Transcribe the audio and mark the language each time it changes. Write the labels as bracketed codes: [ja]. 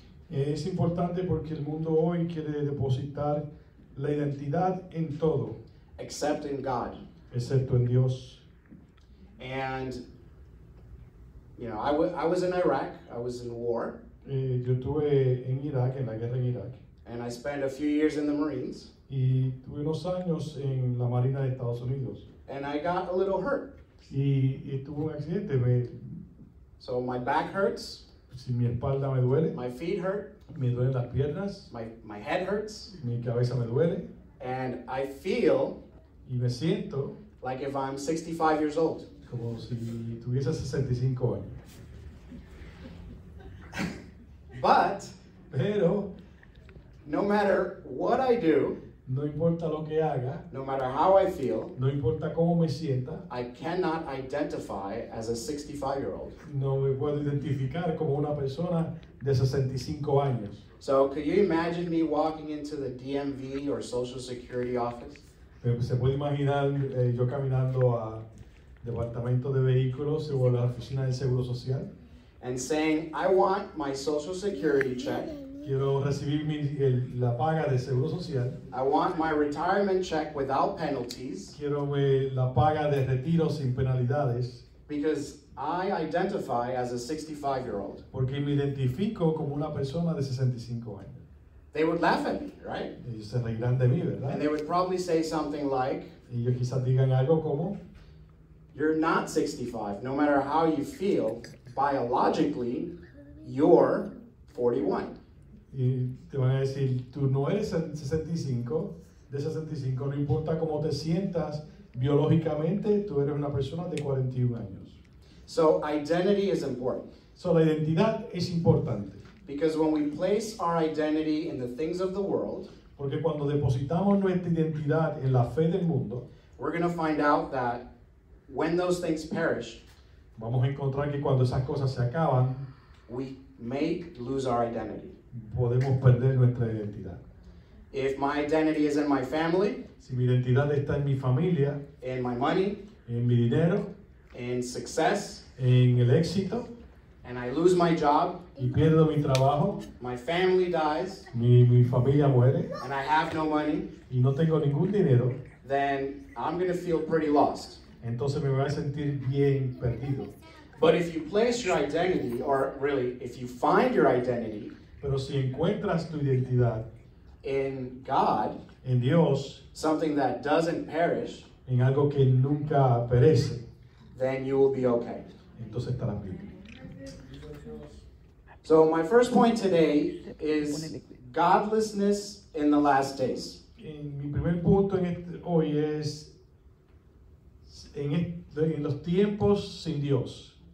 [es] Es importante porque el mundo hoy quiere depositar la identidad en todo. [en] Except in God. [es] Excepto en Dios. [en] And, I was in Iraq. I was in war. [es] Yo estuve en Irak, en la guerra en Irak. [en] And I spent a few years in the Marines. [es] Y tuve unos años en la Marina de Estados Unidos. [en] And I got a little hurt. [es] Y tuve un accidente. Me... [en] So my back hurts. [es] Si mi espalda me duele. [en] My feet hurt. [es] Me duelen las piernas. [en] My head hurts. [es] Mi cabeza me duele. [en] And I feel [es] y me siento [en] like if I'm 65 years old. [es] Como si tuviese 65 años. [en] But [es] pero [en] no matter what I do, [es] no importa lo que haga, [en] no matter how I feel, [es] no importa cómo me sienta, [en] I cannot identify as a 65-year-old. [es] No me puedo identificar como una persona de 65 años. [en] So, could you imagine me walking into the DMV or Social Security office? [es] ¿Se puede imaginar yo caminando a departamento de vehículos o la oficina del Seguro Social? [en] And saying, I want my Social Security check. [es] Quiero recibir la paga de Seguro Social. [en] I want my retirement check without penalties. [es] Quiero la paga de retiro sin penalidades. [en] Because I identify as a 65-year-old. [es] Porque me identifico como una persona de 65 años. [en] They would laugh at me, right? [es] Ellos se reirán de mí, ¿verdad? [en] And they would probably say something like, [es] ellos quizás digan algo como, [en] you're not 65. No matter how you feel, biologically, you're 41. [es] Y te van a decir, tú no eres 65, de 65. No importa cómo te sientas biológicamente, tú eres una persona de 41 años. [en] So identity is important. [es] So la identidad es importante. [en] Because when we place our identity in the things of the world, [es] porque cuando depositamos nuestra identidad en la fe del mundo, [en] we're going to find out that when those things perish, [es] vamos a encontrar que cuando esas cosas se acaban, [en] we may lose our identity. [es] Podemos perder nuestra identidad. [en] If my identity is in my family, [es] si mi identidad está en mi familia, [en] in my money, [es] en mi dinero, [en] in success, [es] en el éxito, [en] and I lose my job, [es] y pierdo mi trabajo, [en] my family dies, [es] mi familia muere, [en] and I have no money, [es] y no tengo ningún dinero, [en] then I'm going to feel pretty lost. [es] Entonces me voy a sentir bien perdido. [en] But if you place your identity, or really, if you find your identity, [es] pero si encuentras tu identidad [en] in God, [es] en Dios, [en] something that doesn't perish, [es] en algo que nunca perece, [en] then you will be okay. [es] Entonces estarás bien. [en] So my first point today is godlessness in the last days. [es] En mi primer punto en este, hoy es en los tiempos sin Dios.